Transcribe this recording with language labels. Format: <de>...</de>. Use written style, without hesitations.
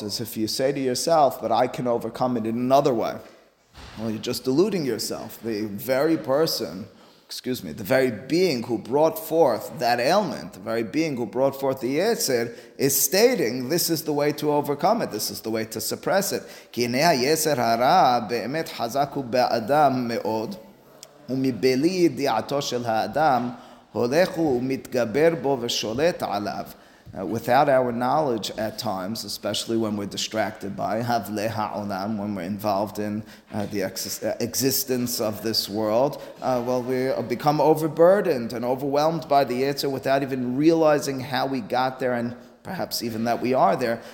<en>As if you say to yourself, but I can overcome it in another way. Well, you're just deluding yourself. The very being who brought forth that ailment, the very being who brought forth the yeser, is stating this is the way to overcome it, this is the way to suppress it.</en> <he>Ki ne'a yeser hara be'emet hazaku be'adam me'od, ומבלי ידיעתו של האדם הולך ומתגבר בו ושולט עליו.</he> <en>without our knowledge at times, especially when we're distracted by havle ha'olam, when we're involved in the existence of this world, we become overburdened and overwhelmed by the yetzer without even realizing how we got there and perhaps even that we are there.</en>